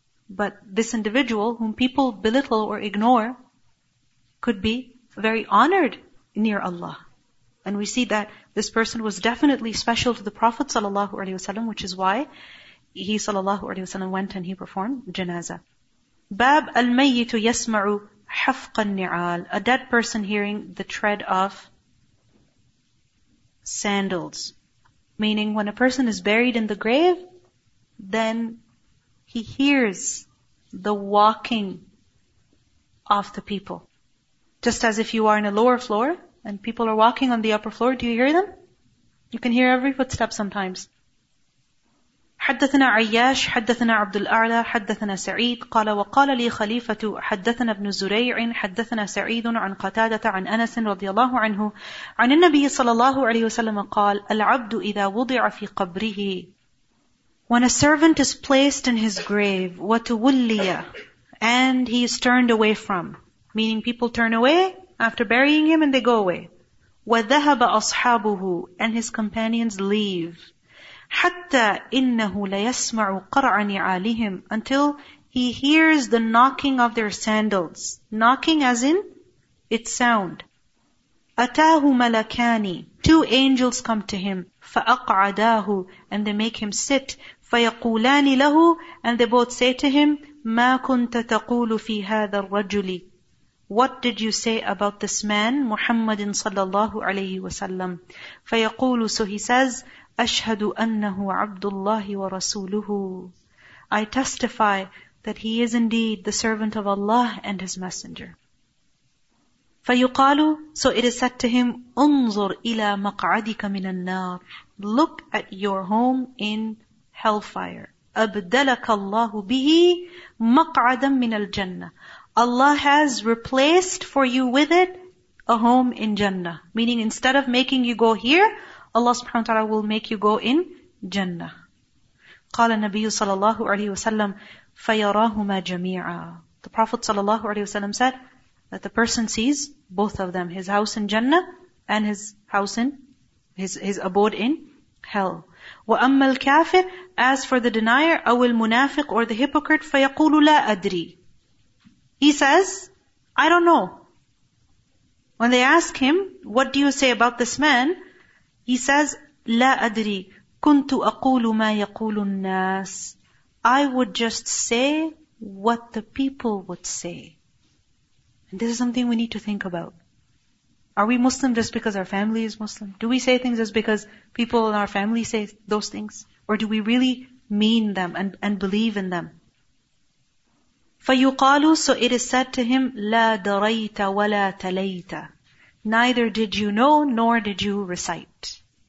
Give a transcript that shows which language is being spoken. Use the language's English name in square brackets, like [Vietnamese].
[English] But this individual, whom people belittle or ignore, could be very honored near Allah. And we see that this person was definitely special to the Prophet sallallahu alaihi wasallam, which is why he sallallahu alaihi wasallam went and he performed janazah. [Arabic] باب الميت يسمع حفق النعال. [English] A dead person hearing the tread of sandals. Meaning when a person is buried in the grave, then he hears the walking of the people. Just as if you are in a lower floor and people are walking on the upper floor, do you hear them? You can hear every footstep sometimes. [Arabic] حدثنا عياش حدثنا عبد الأعلى حدثنا سعيد قال وقال لي خليفة حدثنا ابن زريع حدثنا سعيد عن قتادة عن أنس رضي الله عنه عن النبي صلى الله عليه وسلم قال العبد إذا وضع في قبره. [English] When a servant is placed in his grave [Arabic] وتولي [English] and he is turned away from, meaning people turn away after burying him and they go away. [Arabic] وذهب أصحابه [English] and his companions leave. [Arabic] حَتَّى إِنَّهُ لَيَسْمَعُ قَرْعَ نِعَالِهِمْ [English] until he hears the knocking of their sandals. Knocking as in its sound. [Arabic] أَتَاهُ مَلَكَانِ [English] two angels come to him. [Arabic] فَأَقْعَدَاهُ [English] and they make him sit. [Arabic] فَيَقُولَانِ لَهُ [English] and they both say to him, [Arabic] مَا كُنْتَ تَقُولُ فِي هَذَا الرَّجُلِ [English] what did you say about this man, محمد صلى الله عليه وسلم. [Arabic] فَيَقُولُ [English] so he says, [Arabic] أشهد أنه عبد الله ورسوله. [English] I testify that he is indeed the servant of Allah and his messenger. [Arabic] فيقال, [English] so it is said to him, [Arabic] انظر إلى مقعدك من النار. [English] Look at your home in hellfire. [Arabic] أبدلك الله به مقعدا من الجنة. [English] Allah has replaced for you with it a home in Jannah. Meaning instead of making you go here, Allah subhanahu wa ta'ala will make you go in Jannah. [Arabic] قال النبي صلى الله عليه وسلم فيراهما جميعا. [English] The Prophet صلى الله عليه وسلم said that the person sees both of them, his house in Jannah and his house in, his abode in hell. [Arabic] وأما الكافر, [English] as for the denier, [Arabic] أو المنافق [English] or the hypocrite, [Arabic] فيقول لا أدري. [English] He says, I don't know. When they ask him, what do you say about this man? He says, [Arabic] لا أدري كنت أقول ما يقول الناس. [English] I would just say what the people would say. And this is something we need to think about. Are we Muslim just because our family is Muslim? Do we say things just because people in our family say those things? Or do we really mean them and believe in them. [Arabic] فَيُقَالُ [English] So it is said to him, [Arabic] لَا دَرَيْتَ وَلَا تَلَيْتَ [English] Neither did you know, nor did you recite.